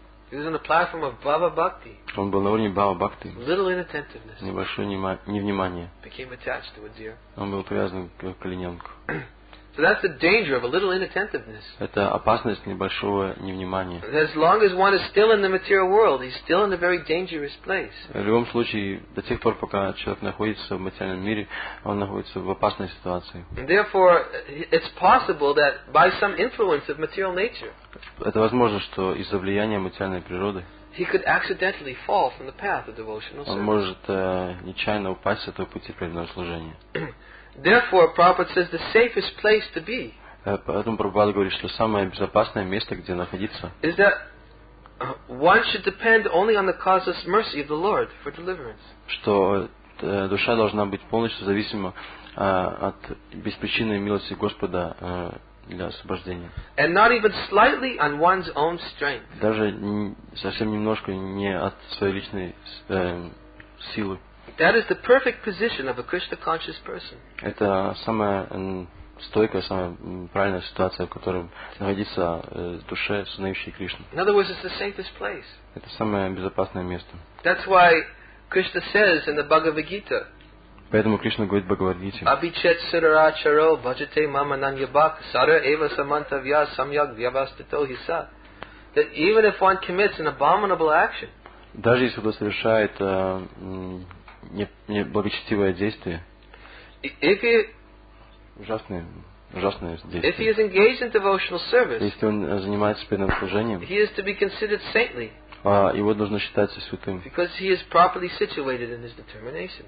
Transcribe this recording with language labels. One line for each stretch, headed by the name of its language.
English: He was on the platform of Bhava Bhakti.
Russian: Он был на уровне Бхава Бхакти.
English: Little inattentiveness.
Russian: Небольшое невнимание.
English: Became attached to a deer.
Russian: Он был привязан к олененку.
English: So that's the danger of a little inattentiveness.
Russian: Это опасность небольшого невнимания.
English: As long as one is still in the material world, he's still in a very dangerous place.
Russian: В любом случае, до тех пор, пока человек находится в материальном мире, он находится в опасной ситуации.
English: And therefore, it's possible that by some influence of material nature,
Russian: это возможно, что из-за влияния материальной природы,
English: he could accidentally fall from the path of devotional service.
Russian: Он может нечаянно упасть с этого пути преданного служения.
English: Therefore, Prabhupada says the safest place to be.
Russian: Поэтому Прабхупада говорит, что самое безопасное место, где находиться.
English: Is that one should depend only on the causeless mercy of the Lord for deliverance.
Russian: Что душа должна быть полностью зависима от беспричинной милости Господа для освобождения.
English: And not even slightly on one's own strength.
Russian: Даже совсем немножко не от своей личной силы.
English: That is the perfect position of a Krishna conscious person.
Russian: Это самая стойкая, самая правильная ситуация, в которой находится душа, сознающая Кришну.
English: In other words, it's the safest place.
Russian: Это самое безопасное место.
English: That's why Krishna says in the Bhagavad Gita.
Russian: Поэтому Кришна говорит в Бхагавад-гите.
Sanskrit: Abhichet sarara charo bhajate mama nanyabak sara eva samantavya samyag vyavastito hisa.
English: That even if one commits an abominable action.
Russian: Даже если кто совершает не благочестивое действие.
English: If he,
Russian: ужасное действие.
English: If he is engaged in devotional service,
Russian: если он занимается преданным служением,
English: he is to be considered saintly,
Russian: его должно считаться святым.
English: Because he is properly situated in his determination.